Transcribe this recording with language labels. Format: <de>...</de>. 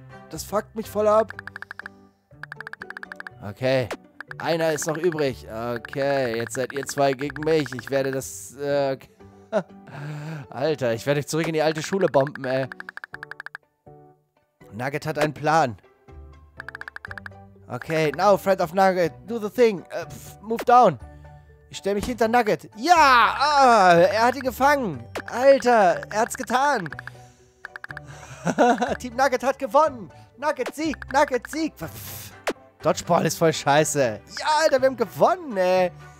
<de>Das fuckt mich voll ab. Okay, einer ist noch übrig. Okay, jetzt seid ihr zwei gegen mich. Ich werde das... Alter, ich werde dich zurück in die alte Schule bomben, ey. Nugget hat einen Plan.</de> <en>Okay, now, friend of Nugget, do the thing. Move down.</en> <de>Ich stelle mich hinter Nugget. Ja, er hat ihn gefangen. Alter, er hat's getan. Team Nugget hat gewonnen. Nugget Sieg, Nugget Sieg. Dodgeball ist voll scheiße. Ja, Alter, wir haben gewonnen, ey.</de>